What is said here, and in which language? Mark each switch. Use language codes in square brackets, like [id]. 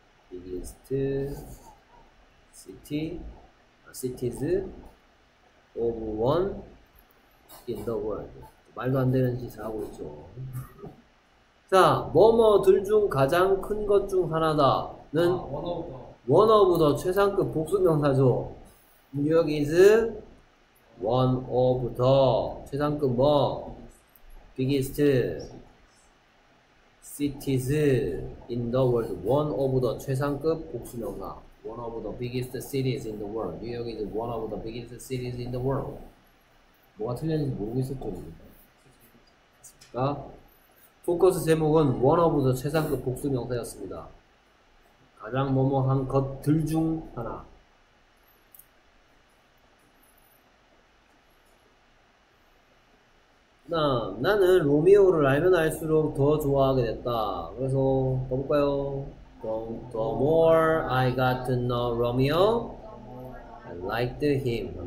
[en] biggest city cities of one in the world. [ko] 말도 안 되는 짓을 하고 있죠. 자, 뭐뭐 둘 중 가장 큰 것 중 하나다는 [en] one of the [ko] 최상급 복수명사죠. [en] 뉴욕 is one of the [ko] 최상급 뭐 [en] biggest cities in the world. one of the [ko] 최상급 복수명사. [en] One of the biggest cities in the world. New York is one of the biggest cities in the world. [ko] 뭐가 틀렸는지 모르겠었죠. 자, 포커스 제목은 One of the 최상급 복수명사였습니다. 가장 뭐뭐한 것들 중 하나. 나 나는 로미오를 알면 알수록 더 좋아하게 됐다. 그래서 볼까요? [en] The more I got to know Romeo, I liked him.